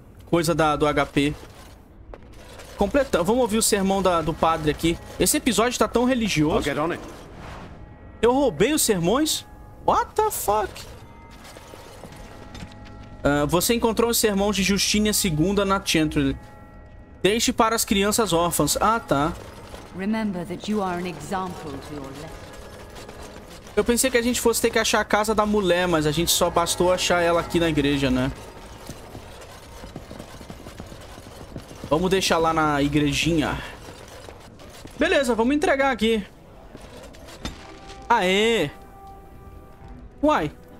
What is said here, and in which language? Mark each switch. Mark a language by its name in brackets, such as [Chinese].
[Portuguese] Coisa do HP. Completando. Vamos ouvir o sermão do padre aqui. Esse episódio tá tão religioso. Eu roubei os sermões? [English] What the fuck? [Portuguese] Você encontrou os sermões de Justina II na Chantry. Deixe para as crianças órfãs. Ah, tá. [English] Remember that you are an example to your left. [Portuguese] Eu pensei que a gente fosse ter que achar a casa da mulher, mas a gente só bastou achar ela aqui na igreja, né? Vamos deixar lá na igrejinha. Beleza, vamos entregar aqui. Aê! Uai.